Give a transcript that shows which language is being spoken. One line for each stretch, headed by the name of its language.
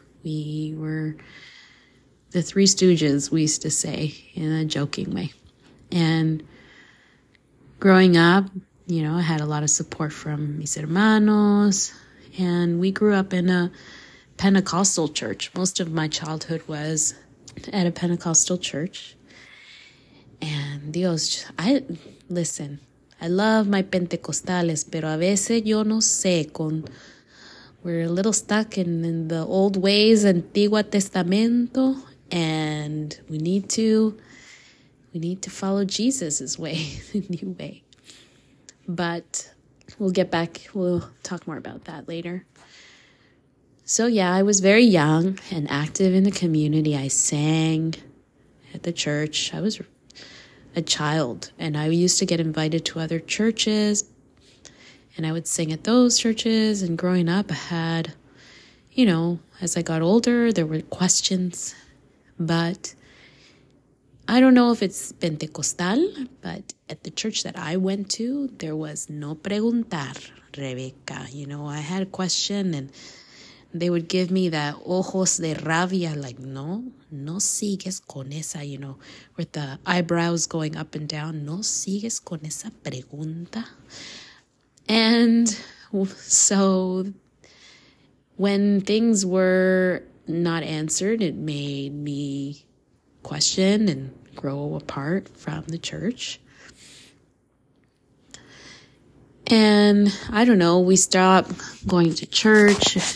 English: We were the three stooges, we used to say, in a joking way. And growing up, you know, I had a lot of support from
Spanish: mis hermanos,
English: and we grew up in a Pentecostal church. Most of my childhood was at a Pentecostal church. And Dios, I love my Pentecostales,
Spanish: pero a veces yo no sé.
English: We're a little stuck in the old ways,
Spanish: Antigua Testamento,
English: and we need to follow Jesus's way, the new way. But we'll get back, we'll talk more about that later. So yeah, I was very young and active in the community. I sang at the church. I was a child, and I used to get invited to other churches, and I would sing at those churches. And growing up, I had, you know, as I got older, there were questions, but I don't know if it's Pentecostal, but at the church that I went to, there was no preguntar, Rebecca. You know, I had a question and they would give me that
Spanish: ojos de rabia,
English: like,
Spanish: no sigues con esa,
English: you know, with the eyebrows going up and down.
Spanish: No sigues con esa pregunta.
English: And so when things were not answered, it made me question and grow apart from the church. And I don't know, we stopped going to church.